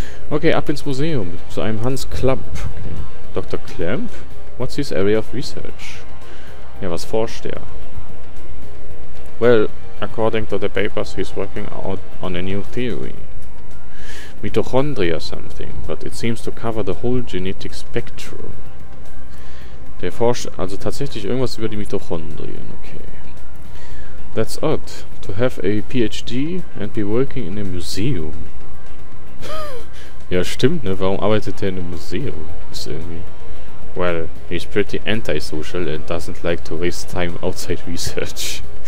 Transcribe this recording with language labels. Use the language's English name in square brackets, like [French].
[German] Okay, ab ins Museum. Zu einem Hans Klemp. Okay. Dr. Klemp? [English] What's his area of research? [German] Ja, was forscht er? [English] Well, according to the papers, he's working out on a new theory. Mitochondria something, but it seems to cover the whole genetic spectrum. [German] Der forscht also tatsächlich irgendwas über die Mitochondrien, okay. [English] That's odd, to have a PhD and be working in a museum. [German] Ja, stimmt, ne? Warum arbeitet er in einem Museum? Ist irgendwie... [English] Well, he's pretty antisocial and doesn't like to waste time outside research.